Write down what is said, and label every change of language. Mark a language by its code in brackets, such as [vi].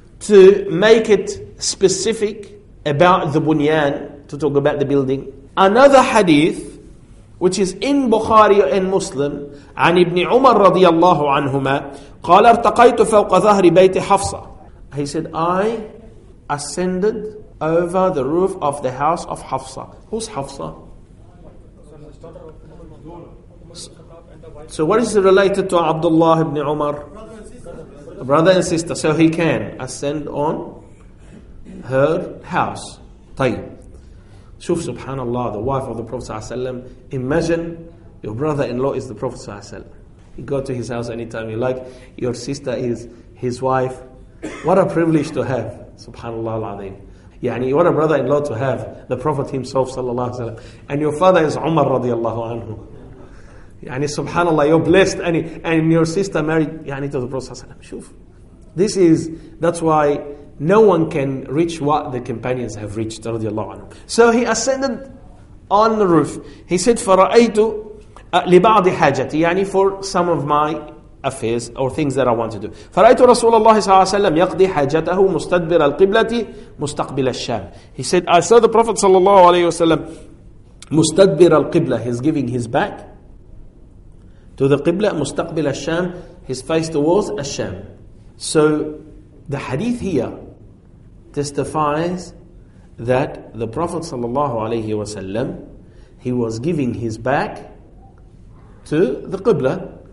[en] to make it specific about the bunyan, to talk about the building. Another hadith, which is in Bukhari and Muslim, [ar] عن ابن عمر رضي الله عنهما قال ارتقيت فوق ظهر بيت حفصة. [en] He said, I ascended over the roof of the house of Hafsa. Who's Hafsa? So what is it related to Abdullah ibn Umar? Brother and sister. So he can ascend on her house. طيب. [ar] شوف سبحان الله, [en] the wife of the Prophet ﷺ. Imagine your brother-in-law is the Prophet ﷺ. You go to his house anytime you like. Your sister is his wife. What a privilege to have. Subhanallah al-Azim. يعني, what a brother-in-law to have. The Prophet himself, sallallahu alayhi wa sallam. And your father is Umar radiallahu anhu. يعني, subhanallah, you're blessed. And your sister married يعني, to the Prophet sallallahu alayhi wa sallam. This is, that's why no one can reach what the companions have reached radiallahu anhu. So he ascended on the roof. He said, [ar] فَرَأَيْتُ لِبَعْضِ حَاجَتِ [en] يعني, for some of my affairs or things that I want to do. [ar] فرأيت رسول الله صلى الله عليه وسلم يقضي حاجته مستدبر القبلة مستقبل الشام. [en] He said, I saw the Prophet صلى الله عليه وسلم [ar] مستدبر القبلة. [en] He's giving his back to the قبلة [ar] مستقبل الشام. [en] His face towards الشام. So the hadith here testifies that the Prophet صلى الله عليه وسلم, he was giving his back to the قبلة.